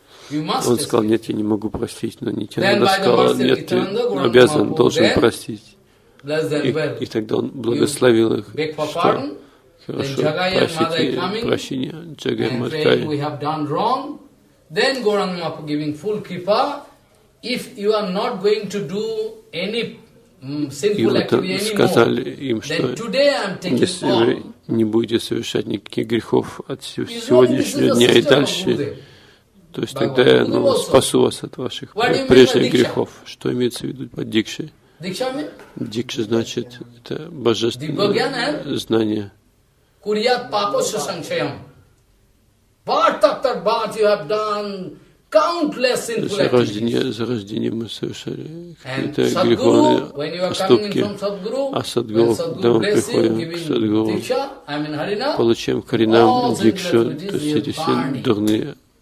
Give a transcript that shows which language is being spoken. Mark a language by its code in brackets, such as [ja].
[ru] Но он сказал, нет, я не могу простить, но Нитянанда сказал, нет, ты обязан, должен простить. И тогда он благословил их, что... Хорошо, просите прощения Джагай Маткай. [en] We have done wrong. Then Gauranga Mahaprabhu giving full kripa. If you are not going to do any sinful activity anymore, then today I am taking [ru] Если вы не будете совершать никаких грехов от сегодняшнего дня и дальше, то есть тогда я спасу вас от ваших прежних грехов. Что имеется в виду под дикшей? Дикша значит, это божественное знание. [sa] Kuryat papasya sanchayam. [en] Bath after bath you have done countless sinful activities. [ru] За рождение мы совершали какие-то греховные поступки. А Садгуру, когда мы приходим к Садгуру, получаем харинам дикшу, то есть эти все дурные.